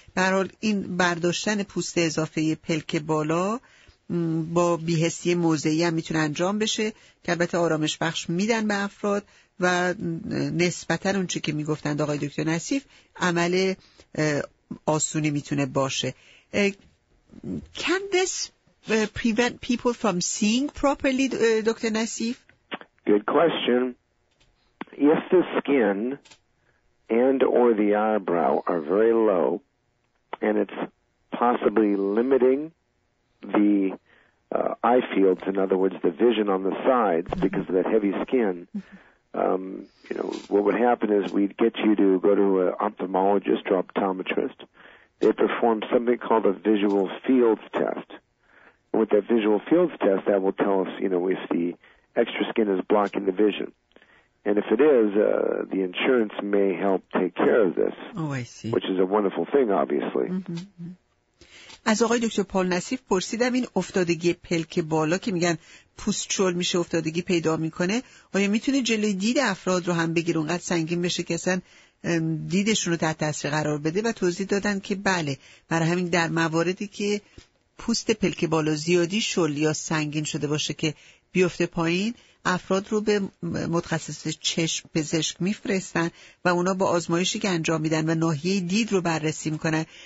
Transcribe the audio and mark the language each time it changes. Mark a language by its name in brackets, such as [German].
[Persian] به هر حال این برداشتن پوست اضافه پلک بالا با بی‌حسی موضعی هم میتونه انجام بشه که البته آرامش بخش میدن به افراد و نسبتاً اون چیزی که میگفتند آقای دکتر نصیف عمل آسونی میتونه باشه. [English] Can this prevent people from seeing properly, Dr. Nassif? Good question. If the skin and or the eyebrow are very low and it's possibly limiting the eye fields, in other words, the vision on the sides because of that heavy skin, you know, what would happen is we'd get you to go to an ophthalmologist or optometrist. They perform something called a visual fields test. With that visual fields test, that will tell us, you know, if the extra skin is blocking the vision. And if it is, the insurance may help take care of this. Oh, I see. Which is a wonderful thing, obviously. [Persian] از آقای دکتر پال نصیف پرسیدم این افتادگی پلک بالا که میگن پوستچول میشه افتادگی پیدا میکنه، آیا میتونه جلوی دید افراد رو هم بگیره اونقدر سنگین بشه که اصلا دیدشون رو تحت تاثیر قرار بده؟ و توضیح دادن که بله، برای همین در مواردی که پوست پلک بالا زیادی شل یا سنگین شده باشه که بیفته پایین، افراد رو به متخصص چشم پزشک میفرستن و اونا با آزمایشی که انجام میدن و ناحیه دید رو بررسی میکنن.